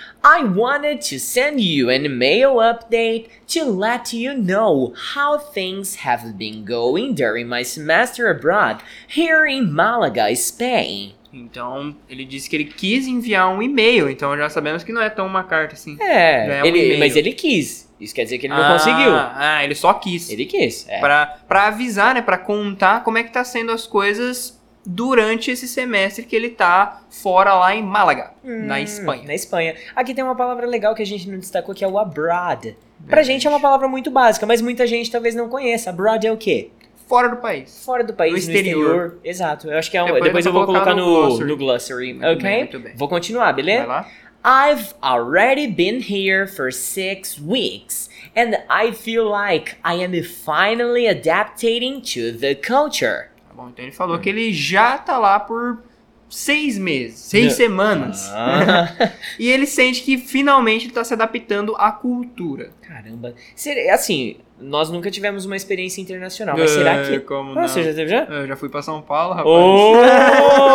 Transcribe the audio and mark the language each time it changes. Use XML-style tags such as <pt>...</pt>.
<en>I wanted to send you an email update to let you know how things have been going during my semester abroad here in Malaga, Spain.</en> <pt>Então, ele disse que ele quis enviar um e-mail, então já sabemos que não é tão uma carta assim. É, mas ele quis. Isso quer dizer que ele não conseguiu. Ah, ele só quis. Ele quis, Pra avisar, né, pra contar como é que tá sendo as coisas... durante esse semestre que ele tá fora lá em Málaga, na Espanha. Na Espanha. Aqui tem uma palavra legal que a gente não destacou, que é o abroad. Pra gente é uma palavra muito básica, mas muita gente talvez não conheça. Abroad é o quê? Fora do país. Fora do país, no exterior. Exato. Eu acho que é depois eu vou colocar no glossary. Muito ok? Bem, muito bem. Vou continuar, beleza? Vai lá.</pt> <en>I've already been here for 6 weeks, and I feel like I am finally adapting to the culture.</en> <pt>Bom, então ele falou que ele já tá lá por 6 meses, 6 semanas. Ah. E ele sente que finalmente ele tá se adaptando à cultura. Caramba. Assim, nós nunca tivemos uma experiência internacional, mas será que... Você já teve já? Eu já fui pra São Paulo, rapaz.</pt>